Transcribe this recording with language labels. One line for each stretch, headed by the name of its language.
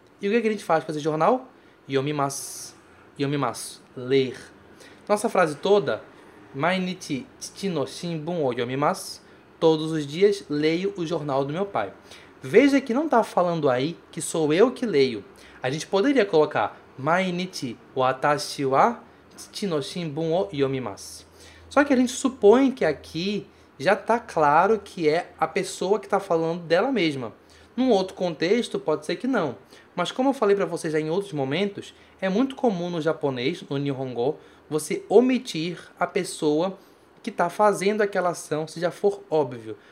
Portuguese: E o que é que a gente faz com esse jornal?
Japanese: Yomimasu. Yomimasu,
Portuguese: ler. Nossa frase toda:
Japanese: Mainichi tsuchi no shimbun o yomimasu.
Portuguese: Todos os dias leio o jornal do meu pai. Veja que não está falando aí que sou eu que leio. A gente poderia colocar
Japanese: 毎日私は父の新聞を読みます。
Portuguese: Só que a gente supõe que aqui já está claro que é a pessoa que está falando dela mesma. Num outro contexto, pode ser que não. Mas como eu falei para vocês já em outros momentos, é muito comum no japonês, no Nihongo, você omitir a pessoa que está fazendo aquela ação, se já for óbvio.